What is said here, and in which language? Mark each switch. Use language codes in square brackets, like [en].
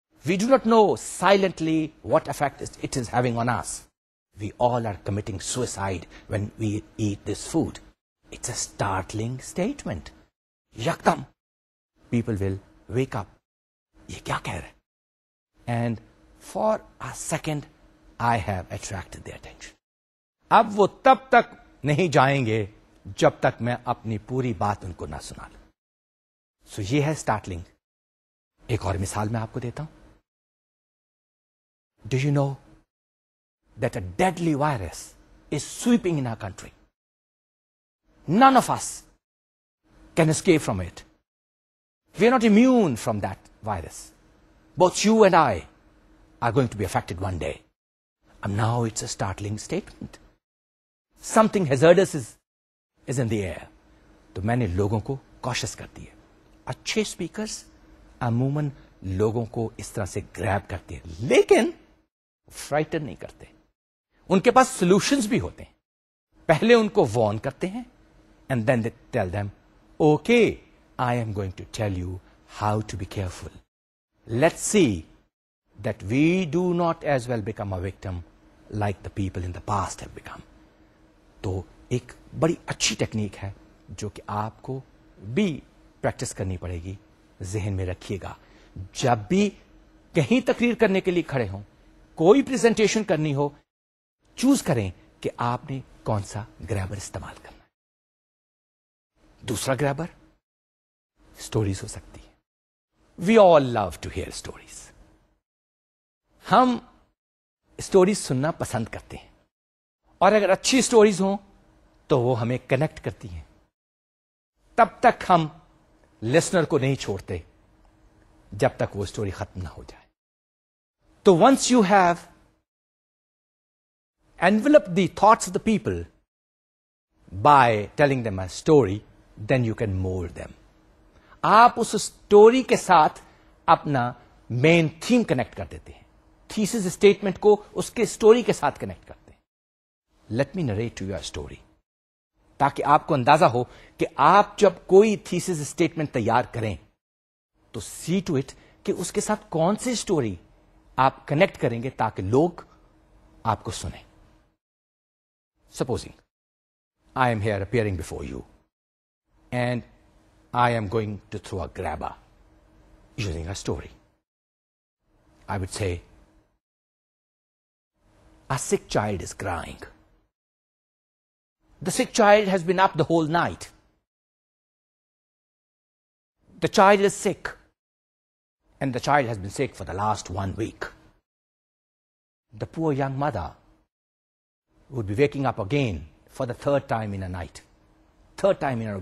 [en] We do not know silently what effect it is having on us. We all are committing suicide when we eat this food. It's a startling statement. Yakdam, people will wake up. [ur] یہ کیا کہہ رہے ہیں. [en] And for a second I have attracted their attention. [ur] اب وہ تب تک نہیں جائیں گے جب تک میں اپنی پوری بات ان کو نہ سنا لوں. سو یہ ہے اسٹارٹلنگ. ایک اور مثال میں آپ کو دیتا ہوں. [en] Do you know that a deadly virus is sweeping in our country? None of us can escape from it. We are not immune from that virus. Both you and I are going to be affected one day. And now it's a startling statement. Something hazardous is in the air. [ur] تو میں نے لوگوں کو کوشش کر دی ہے. اچھے speakers عموماً لوگوں کو اس طرح سے گریب کرتے ہیں لیکن فرائٹن نہیں کرتے. ان کے پاس سولوشنس بھی ہوتے ہیں. پہلے ان کو وارن کرتے ہیں [en] And then they tell them okay I am going to tell you how to be careful. Let see that we do not as well become a victim like the people in the past have become. [ur] تو ایک بڑی اچھی technique ہے جو کہ آپ کو بھی پریکٹس کرنی پڑے گی. ذہن میں رکھیے گا جب بھی کہیں تقریر کرنے کے لیے کھڑے ہوں, کوئی پریزنٹیشن کرنی ہو, چوز کریں کہ آپ نے کون سا گرامر استعمال کرنا ہے. دوسرا گرامر سٹوریز ہو سکتی ہے. [en] We all love to hear stories. [ur] ہم سٹوریز سننا پسند کرتے ہیں اور اگر اچھی سٹوریز ہوں تو وہ ہمیں کنیکٹ کرتی ہیں. تب تک ہم لسنر کو نہیں چھوڑتے جب تک وہ سٹوری ختم نہ ہو جائے. [en] تو once you have envelop the thoughts of the people by telling them a story then you can mould them. [ur] آپ اس سٹوری کے ساتھ اپنا مین تھیم کنیکٹ کر دیتے ہیں. تھیسس اسٹیٹمنٹ کو اس کے سٹوری کے ساتھ کنیکٹ کرتے ہیں. [en] Let me narrate to you a story. [ur] تاکہ آپ کو اندازہ ہو کہ آپ جب کوئی تھیسس اسٹیٹمنٹ تیار کریں تو سی ٹو اٹ کہ اس کے ساتھ کون سی اسٹوری آپ کنیکٹ کریں گے تاکہ لوگ آپ کو سنیں. [en] Supposing I am here appearing before you and I am going to through a گریبا using a story. I would say a sick child is crying. The sick child has been up the whole night. The child is sick. And the child has been sick for the last 1 week. The poor young mother would be waking up again for the third time in a night. Third time in a night.